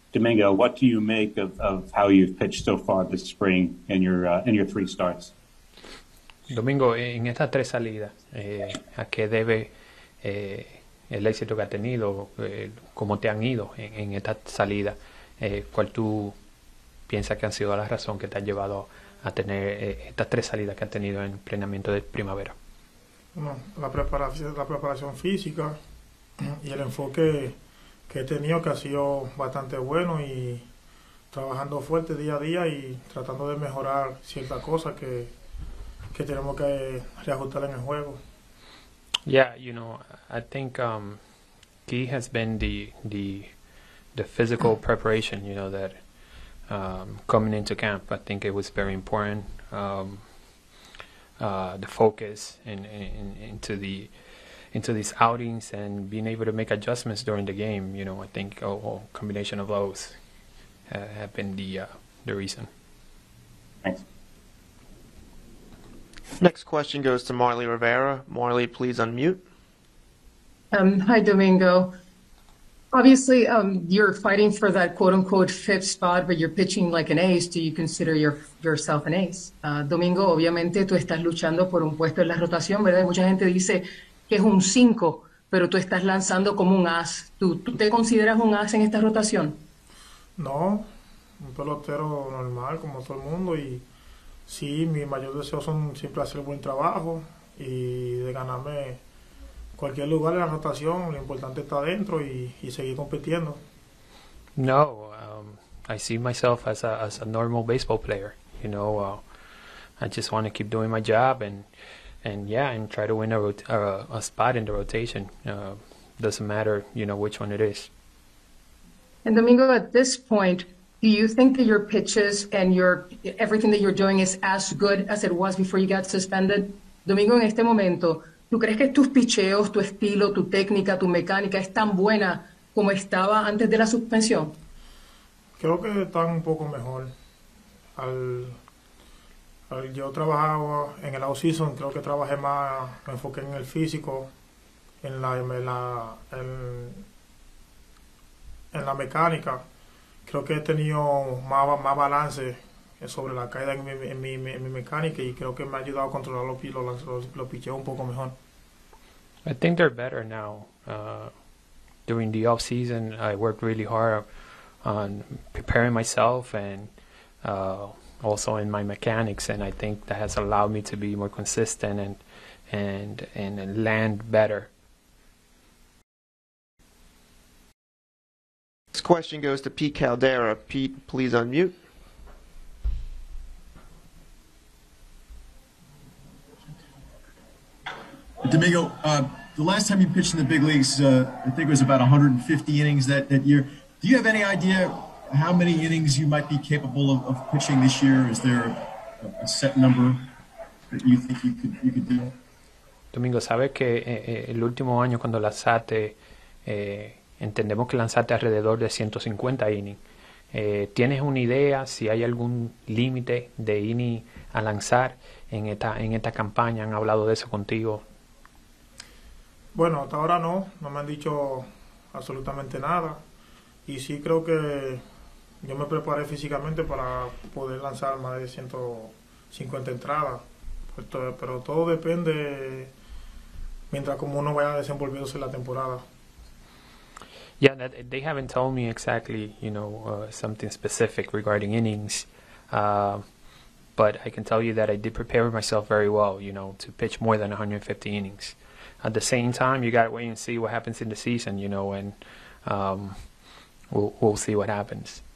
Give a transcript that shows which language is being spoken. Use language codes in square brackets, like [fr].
[en] Domingo, what do you make of how you've pitched so far this spring in your three starts? [es] Domingo, en estas tres salidas, ¿a qué debe el éxito que ha tenido? ¿Cómo te han ido en estas salidas? ¿Cuál tú piensas que han sido la razón que te ha llevado a tener estas tres salidas que ha tenido en entrenamiento de primavera? Bueno, la preparación física y el enfoque que he tenido, que ha sido bastante bueno, y trabajando fuerte día a día y tratando de mejorar ciertas cosas que tenemos que reajustar en el juego. [en] Yeah, you know, I think key has been the physical preparation, you know, that coming into camp, I think it was very important. The focus into these outings and being able to make adjustments during the game, you know, I think a combination of those have been the reason. Thanks. Next question goes to Marley Rivera. Marley, please unmute. Hi, Domingo. Obviously, you're fighting for that quote-unquote fifth spot, but you're pitching like an ace. Do you consider yourself an ace? [es] Domingo, obviamente, tú estás luchando por un puesto en la rotación, ¿verdad? Mucha gente dice que es un cinco, pero tú estás lanzando como un as. ¿Tú te consideras un as en esta rotación? No, un pelotero normal, como todo el mundo. Y sí, mi mayor deseo son siempre hacer buen trabajo y de ganarme cualquier lugar en la rotación, lo importante está adentro y seguir compitiendo. [en] No, I see myself as a normal baseball player. You know, I just want to keep doing my job and try to win a spot in the rotation. Doesn't matter, you know, which one it is. And Domingo, at this point, do you think that your pitches and your everything that you're doing is as good as it was before you got suspended? [es] Domingo, en este momento, ¿tú crees que tus picheos, tu estilo, tu técnica, tu mecánica es tan buena como estaba antes de la suspensión? Creo que está un poco mejor. Al yo trabajaba en el off-season, creo que trabajé más, me enfoqué en el físico, en la mecánica. Creo que he tenido más balance sobre la caída en mi mecánica y creo que me ha ayudado a controlar los picheos un poco mejor. [en] I think they're better now. During the off season, I worked really hard on preparing myself and also in my mechanics, and I think that has allowed me to be more consistent and land better. This question goes to Pete Caldera. Pete, please unmute. Domingo, the last time you pitched in the big leagues, I think it was about 150 innings that year. Do you have any idea how many innings you might be capable of pitching this year? Is there a set number that you think you could do? [es] Domingo, ¿sabes que el último año cuando lanzaste, entendemos que lanzaste alrededor de 150 innings? ¿Tienes una idea si hay algún límite de innings a lanzar en esta campaña? ¿Han hablado de eso contigo? Bueno, hasta ahora no me han dicho absolutamente nada. Y sí creo que yo me preparé físicamente para poder lanzar más de 150 entradas. Pero todo depende mientras como uno vaya desenvolviéndose la temporada. [en] Yeah, they haven't told me exactly, you know, something specific regarding innings. But I can tell you that I did prepare myself very well, you know, to pitch more than 150 innings. At the same time, you got to wait and see what happens in the season, you know, and we'll see what happens.